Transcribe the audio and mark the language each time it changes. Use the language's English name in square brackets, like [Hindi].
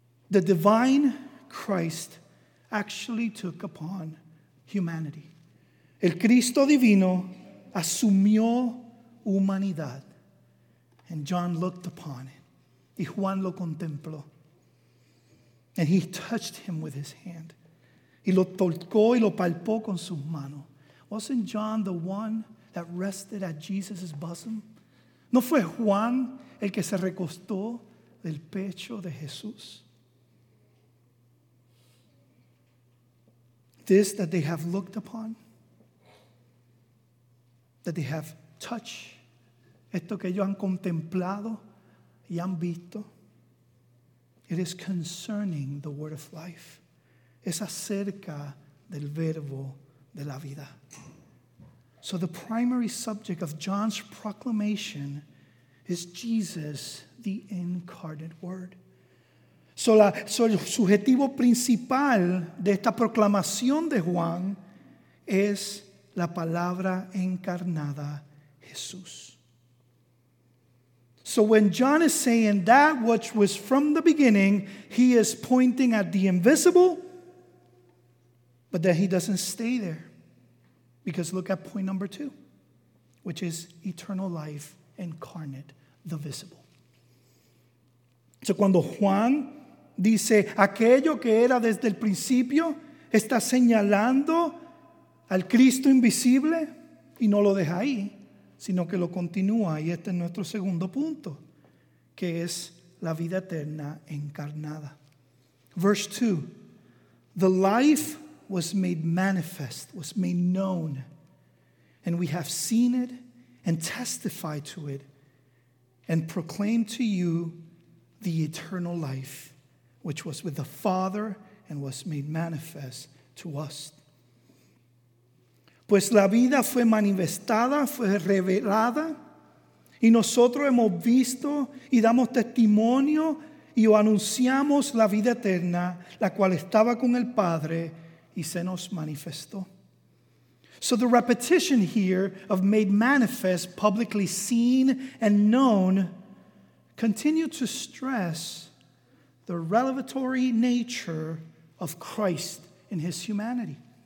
[English] The divine Christ actually took upon humanity. [Spanish] El Cristo divino asumió humanidad. [English] And John looked upon it. [Spanish] Y Juan lo contempló. [English] And he touched him with his hand. [Spanish] Y lo tocó y lo palpó con sus manos. [English] Wasn't John the one that rested at Jesus' bosom? [Spanish] ¿No fue Juan el que se recostó del pecho de Jesús? [English] This that they have looked upon, that they have touched, [Spanish] esto que ellos han contemplado y han visto, [English] it is concerning the word of life. [Spanish] Es acerca del verbo de la vida. [English] So the primary subject of John's proclamation is Jesus, the incarnate word. [Spanish] So la, so el subjetivo principal de esta proclamación de Juan es la palabra encarnada, Jesús. [English] So when John is saying that which was from the beginning, he is pointing at the invisible, but then he doesn't stay there. Because look at point number two, which is eternal life incarnate, the visible. [Spanish] So cuando Juan dice aquello que era desde el principio, está señalando al Cristo invisible y no lo deja ahí, sino que lo continúa. Y este es nuestro segundo punto, que es la vida eterna encarnada. [English] Verse 2. The life was made manifest, was made known, and we have seen it and testified to it and proclaimed to you the eternal life which was with the Father and was made manifest to us. [Spanish] Pues la vida fue manifestada, fue revelada, y nosotros hemos visto y damos testimonio y anunciamos la vida eterna, la cual estaba con el Padre y se nos manifestó. [English] So the repetition here of made manifest, publicly seen and known, continue to stress the revelatory nature of Christ in his humanity.